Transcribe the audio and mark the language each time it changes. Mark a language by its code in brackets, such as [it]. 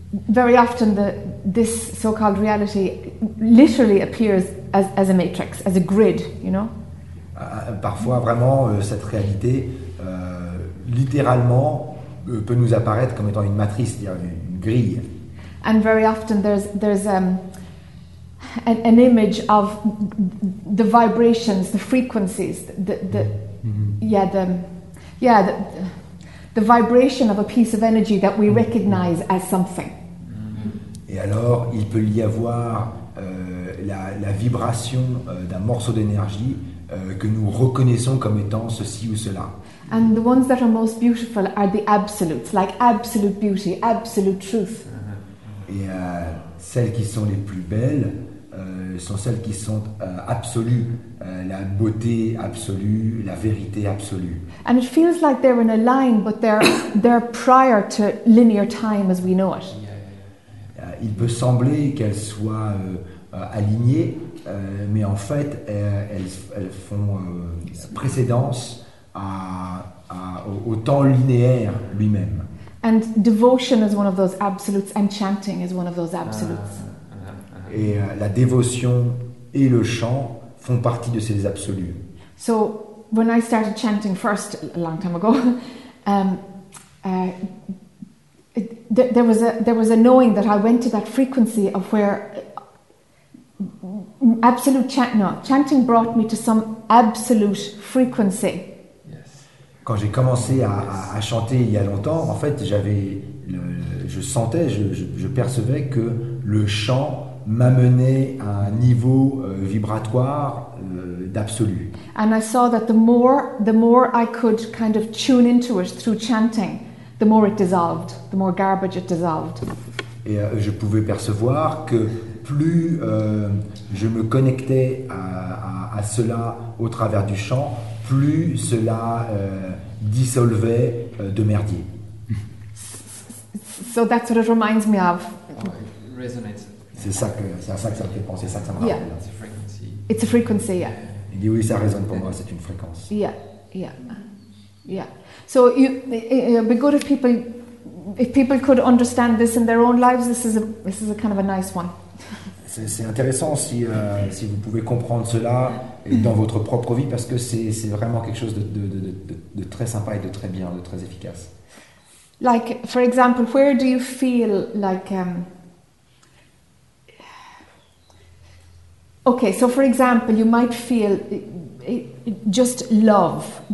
[en] Very often this so-called reality literally appears as a matrix, as a grid, you know. [fr] Parfois, vraiment, cette réalité littéralement peut nous apparaître comme étant une matrice, c'est-à-dire une grille. [en] And very often there's an image of the vibrations, the frequencies, the vibration of a piece of energy that we recognize as something. [fr] Et alors, il peut y avoir la vibration d'un morceau d'énergie que nous reconnaissons comme étant ceci ou cela. [en] And the ones that are most beautiful are the absolutes, like absolute beauty, absolute truth. [fr] Et celles qui sont les plus belles sont celles qui sont absolues, la beauté absolue, la vérité absolue. [en] And it feels like they're in a line, but they're prior to linear time as we know it. [fr] Il peut sembler qu'elles soient alignées, mais en fait, elles font précédence au temps linéaire lui-même. [en] And devotion is one of those absolutes, and chanting is one of those absolutes. [fr] Et la dévotion et le chant font partie de ces absolus. [en] So when I started chanting first a long time ago, there was a knowing that I went to that frequency of where absolute chanting brought me to some absolute frequency. Yes. [fr] Quand j'ai commencé à chanter il y a longtemps, en fait, je percevais que le chant m'amenait à un niveau vibratoire d'absolu. [en] And I saw that the more I could kind of tune into it through chanting, the more it dissolved, the more garbage it dissolved. [fr] Et je pouvais percevoir que plus je me connectais à cela au travers du chant, plus cela dissolvait de merdier. [en] So that's what it reminds me of. Resonates. [fr] C'est à ça que ça me fait penser, c'est ça que ça me rappelle. [en] Yeah. It's a frequency, yeah. [fr] Il dit oui, ça résonne pour moi, c'est une fréquence. [en] Yeah. So it'd be good if people if people could understand this in their own lives, this is a kind of a nice one. [fr] C'est intéressant si vous pouvez comprendre cela dans votre propre vie, parce que c'est vraiment quelque chose de très sympa et de très bien, de très efficace. [en] Like, for example, where do you feel like... Okay, so for example, you might feel just love.